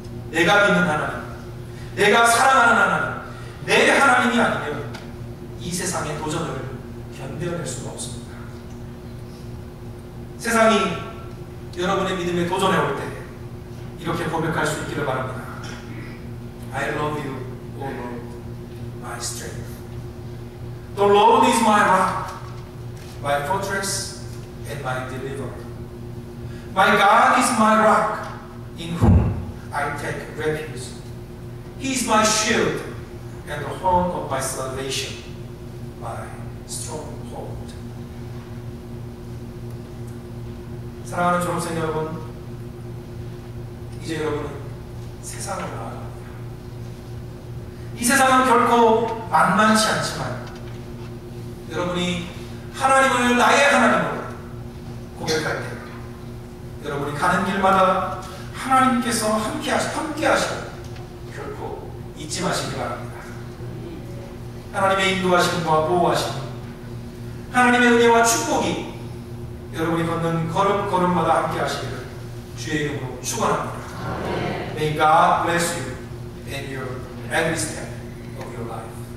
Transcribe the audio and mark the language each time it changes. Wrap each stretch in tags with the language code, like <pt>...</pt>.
<ko>내가 믿는 하나님, 내가 사랑하는 하나님, 내 하나님이 아니면 이 세상의 도전을 견뎌낼 수가 없습니다. 세상이 여러분의 믿음에 도전해 올 때 이렇게 고백할 수 있기를 바랍니다.</ko> <en>I love you, O Lord, my strength. The Lord is my rock, my fortress, and my deliverer. My God is my rock, in whom I take refuge. He is my shield and the horn of my salvation, my strong.</en> <ko>사랑하는 졸업생 여러분, 이제 여러분은 세상을 나아갑니다. 이 세상은 결코 만만치 않지만 여러분이 하나님을 나의 하나님으로 고백할 때, 여러분이 가는 길마다 하나님께서 함께하시고 결코 잊지 마시기 바랍니다. 하나님의 인도하심과 보호하심, 하나님의 은혜와 축복이 여러분이 걷는 걸음걸음마다 함께 하시기를 주의 이름으로 축원합니다.</ko> <en>May God bless you in your every step of your life.</en>